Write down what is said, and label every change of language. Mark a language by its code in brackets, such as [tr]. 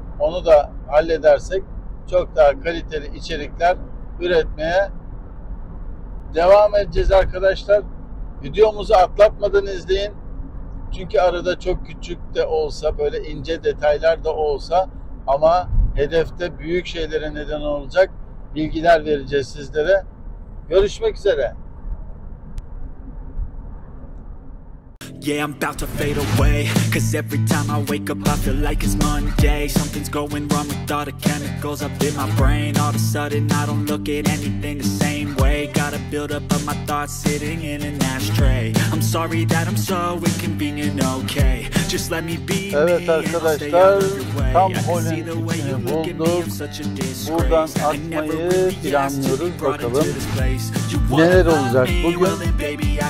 [tr] Onu da halledersek çok daha kaliteli içerikler üretmeye devam edeceğiz arkadaşlar. Videomuzu atlatmadan izleyin. Çünkü arada çok küçük de olsa, böyle ince detaylar da olsa ama hedefte büyük şeylere neden olacak bilgiler vereceğiz sizlere. Görüşmek üzere. [en] Yeah, I'm about to fade away. Cause every time I wake up I feel like it's Monday. Something's going wrong with all the chemicals up in my brain. All of a sudden I don't look at anything the same way. Gotta build up of my thoughts sitting in an ashtray. I'm sorry that I'm so inconvenient, okay. Just let me be me. [tr] Evet arkadaşlar, tam holingini bulduk. Buradan atmayı planlıyoruz, bakalım neler olacak bugün.